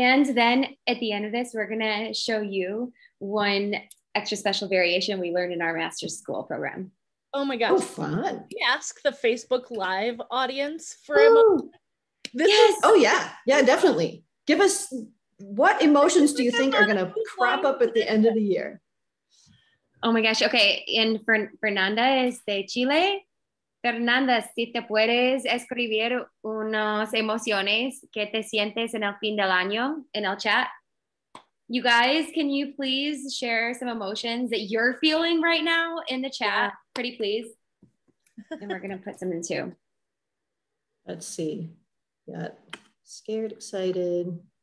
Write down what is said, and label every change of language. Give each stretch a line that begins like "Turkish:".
English: And then at the end of this, we're gonna show you one extra special variation we learned in our master's school program. Oh my gosh. Oh, fun. Can we ask the Facebook Live audience for a moment? Yeah, definitely. Give us, what emotions do you think are gonna crop up at the end of the year? Oh my gosh, okay. And Fernanda is
Spanish: de Chile. Fernanda, si te puedes escribir unas emociones que te sientes en el fin del año in el chat.
English: You guys, can you please share some emotions that you're feeling right now in the chat? Yeah. Pretty please. And we're going to put some in too. Let's see. Got scared, excited.